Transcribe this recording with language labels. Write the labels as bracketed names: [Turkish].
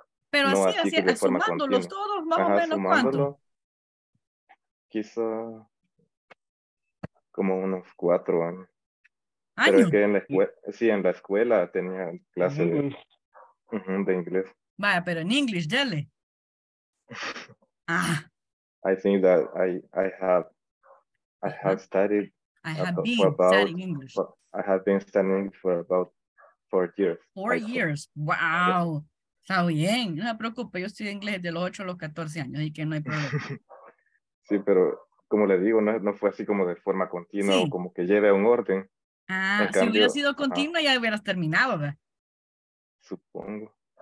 [Spanish] Pero no así de forma sumándolos continua. Todos, más o menos, ¿cuánto? Quizá como unos 4 años. Pero es que en la escuela, sí, en la escuela tenía clase de inglés. Vaya, pero en inglés, dale. [English] I think that I have been studying English for about 4 years. Wow. [Spanish] Está bien, no me preocupe, yo estudié inglés de los 8 a los 14 años, así que no hay problema. Sí, pero como le digo, no fue así como de forma continua, sí. O como que lleve a un orden. Ah, cambio, si hubiera sido continua, ya hubieras terminado, ¿verdad? Supongo.